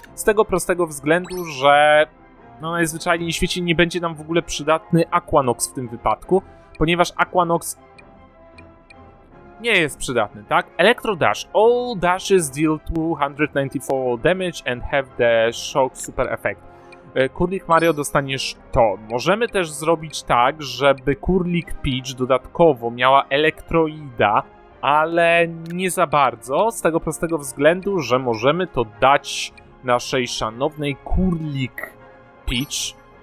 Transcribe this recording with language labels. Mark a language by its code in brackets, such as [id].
[pl] Z tego prostego względu, że no, najzwyczajniej w świecie nie będzie nam w ogóle przydatny Aquanox w tym wypadku. Ponieważ Aquanox nie jest przydatny, tak? [en] Electro Dash. All dashes deal 294 damage and have the shock super effect. [pl] Kurlik Mario, dostaniesz to. Możemy też zrobić tak, żeby Kurlik Peach dodatkowo miała elektroida, ale nie za bardzo, z tego prostego względu, że możemy to dać naszej szanownej Kurlik Peach.